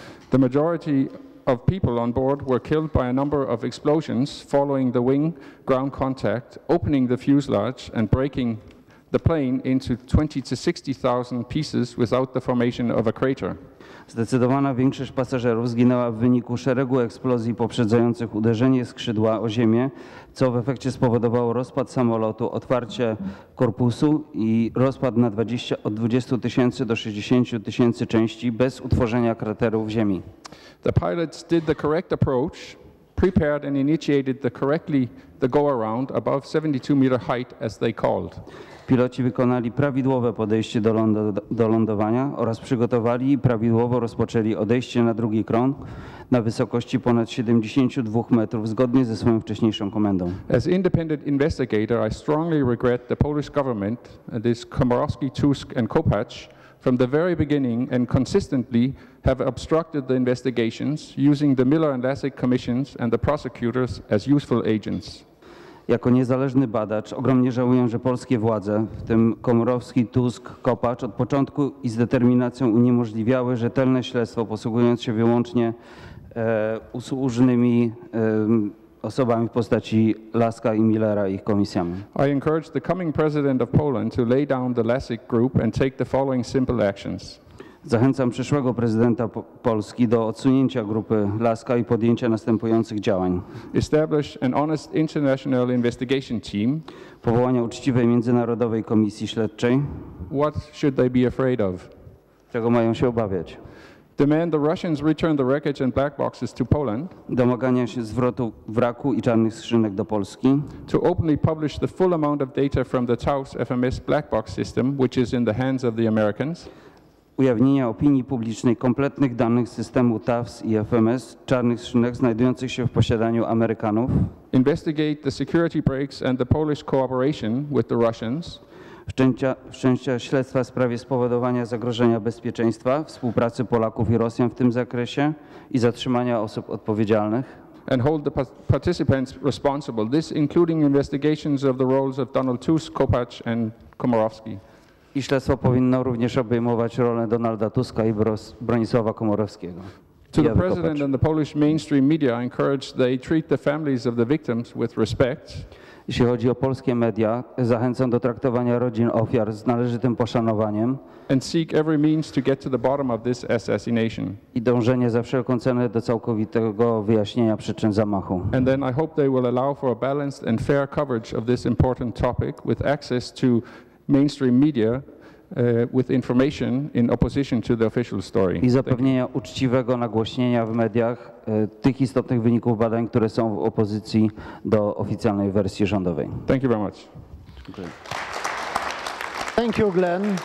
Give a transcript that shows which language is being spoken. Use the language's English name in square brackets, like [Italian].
[English] The majority of people on board were killed by a number of explosions following the wing ground contact, opening the fuselage and breaking the plane into 20 to 60,000 pieces without the formation of a crater. [Polish] Zdecydowana większość pasażerów zginęła w wyniku szeregu eksplozji poprzedzających uderzenie skrzydła o ziemię, co w efekcie spowodowało rozpad samolotu, otwarcie korpusu i rozpad na od 20 tysięcy do 60 tysięcy części bez utworzenia krateru w ziemi. [English] The pilots did the correct approach, prepared and initiated the go around above 72 meter height as they called. [Polish] Piloci wykonali prawidłowe podejście do lądowania oraz przygotowali i prawidłowo rozpoczęli odejście na drugi krąg na wysokości ponad 72 metrów zgodnie ze swoją wcześniejszą komendą. [English] As independent investigator, I strongly regret the Polish government, this Komorowski, Tusk and Kopacz, from the very beginning and consistently have obstructed the investigations using the Miller and Lessig commissions and the prosecutors as useful agents. [Polish] Jako niezależny badacz ogromnie żałuję, że polskie władze, w tym Komorowski, Tusk, Kopacz, od początku i z determinacją uniemożliwiały rzetelne śledztwo, posługując się wyłącznie usłużnymi osobami w postaci Laska i Millera i ich komisjami. [English] I encourage the coming president of Poland to lay down the Lessig group and take the following simple actions. [Polish] Zachęcam przyszłego prezydenta Polski do odsunięcia grupy Laska i podjęcia następujących działań. [English] Establish an honest international investigation team. [Polish] Powołania uczciwej międzynarodowej komisji śledczej. [English] What should they be afraid of? [Polish] Czego mają się obawiać? [English] Demand the Russians return the wreckage and black boxes to Poland. [Polish] Domagania się zwrotu wraku i czarnych skrzynek do Polski. [English] To openly publish the full amount of data from the Taos FMS black box system, which is in the hands of the Americans. [Polish] Ujawnienia opinii publicznej kompletnych danych systemu TAFS i FMS, czarnych skrzynek znajdujących się w posiadaniu Amerykanów. [English] Investigate the security breaks and the Polish cooperation with the Russians. [Polish] Wszczęcia śledztwa w sprawie spowodowania zagrożenia bezpieczeństwa, współpracy Polaków i Rosjan w tym zakresie i zatrzymania osób odpowiedzialnych. [English] And hold the participants responsible, this including investigations of the roles of Donald Tusk, Kopacz and Komorowski. [Polish] I śledztwo powinno również obejmować rolę Donalda Tuska i Bronisława Komorowskiego. [English] To the president and the Polish mainstream media, I encourage they treat the families of the victims with respect. [Polish] Jeśli chodzi o polskie media, zachęcam do traktowania rodzin ofiar z należytym poszanowaniem. [English] And seek every means to get to the bottom of this assassination. [Polish] I dążenie za wszelką cenę do całkowitego wyjaśnienia przyczyn zamachu. [English] And then I hope they will allow for a balanced and fair coverage of this important topic with access to mainstream media with information in opposition to the official story. [Polish] I zapewnienia uczciwego nagłośnienia w mediach tych istotnych wyników badań, które są w opozycji do oficjalnej wersji rządowej. [English] Thank you very much. Thank you, Glenn.